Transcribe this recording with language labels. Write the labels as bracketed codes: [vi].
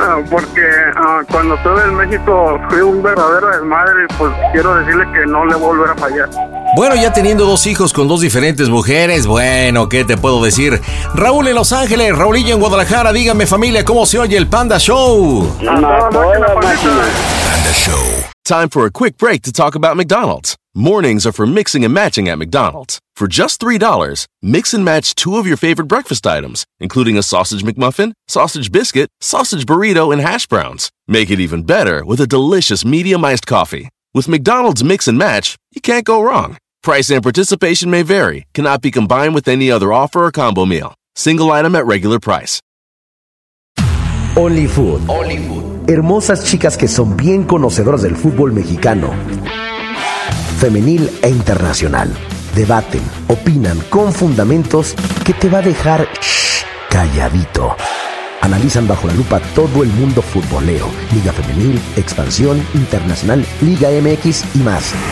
[es] Porque cuando estuve en México fui un verdadero desmadre, pues quiero decirle que no le voy a volver a fallar. Bueno, ya teniendo dos hijos con dos diferentes mujeres, bueno, ¿qué te puedo decir? Raúl en Los Ángeles, Raulillo en Guadalajara, dígame, familia, ¿cómo se oye el Panda Show? Panda Show. [en] Time for a quick break to talk about McDonald's. Mornings are for mixing and matching at McDonald's. For just $3, mix and match two of your favorite breakfast items, including a sausage McMuffin, sausage biscuit, sausage burrito, and hash browns. Make it even better with a delicious medium iced coffee. With McDonald's mix and match, you can't go wrong. Price and participation may vary. Cannot be combined with any other offer or combo meal. Single item at regular price. Only Food. Only Food. [es] Hermosas chicas que son bien conocedoras del fútbol mexicano, femenil e internacional. debaten, opinan con fundamentos que te va a dejar calladito. Analizan bajo la lupa todo el mundo futbolero, Liga Femenil, Expansión, Internacional, Liga MX y más.